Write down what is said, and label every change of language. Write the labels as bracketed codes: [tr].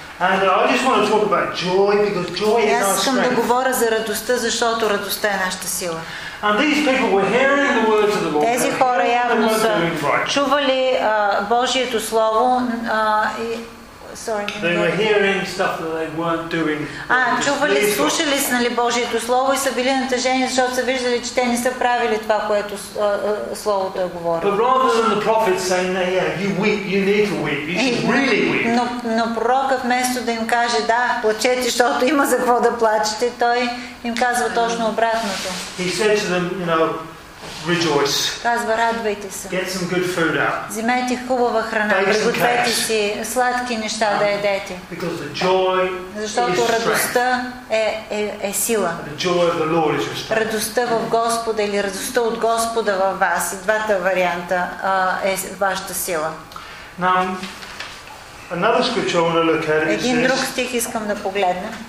[en] And I just want to talk about joy because joy is our strength. [bg] Аз искам да говоря за радостта, защото радостта е нашата сила. [en] And these people were hearing the words of the Lord. [bg] Тези хора явно са чували Божието слово и [en] They were hearing stuff that they weren't doing. [bg] Чували, слушали са, нали, Божието слово и са били натъжени, защото са виждали, че те не са правили това, което словото е говорило. [en] But rather than the prophet saying, "Yeah, you weep, you need to weep, you should really weep." [bg] Но пророкът вместо да им каже, да, плачете, защото има за какво да плачете, той им казва точно обратното. [en] He said to them, Rejoice. [bg] Казва, радвайте се. [en] Get some good food out. [bg] Вземете хубава храна. Пригответе си сладки неща да едете. [en] Because the joy is strength. [bg] Защото радостта е сила. [en] The joy of the Lord is strength. [bg] Радостта в Господа или радостта от Господа във вас. Двата варианта е вашата сила. [en] Now, another scripture I want to look at. [bg] Един друг стих искам да погледна.